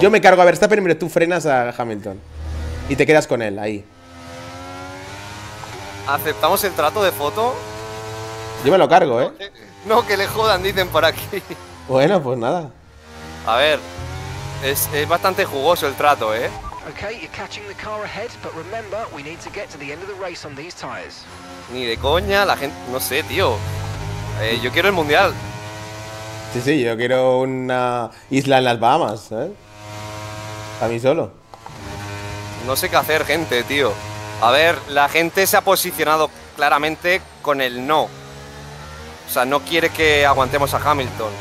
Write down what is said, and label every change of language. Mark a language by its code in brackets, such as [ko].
[es] Yo me cargo a Verstappen, pero tú frenas a Hamilton. Y te quedas con él, ahí. ¿Aceptamos el trato de Foto? Yo me lo cargo, ¿eh? No, que le jodan, dicen por aquí. Bueno, pues nada. A ver, es bastante jugoso el trato, ¿eh? [en] Okay, you're catching the car ahead, but remember, we need to get to the end of the race on these tires. [es] Ni de coña, la gente... No sé, tío. Yo quiero el Mundial. Sí, sí, yo quiero una isla en las Bahamas, ¿eh? A mí solo. No sé qué hacer, gente, tío. A ver, la gente se ha posicionado claramente con el no. O sea, no quiere que aguantemos a Hamilton.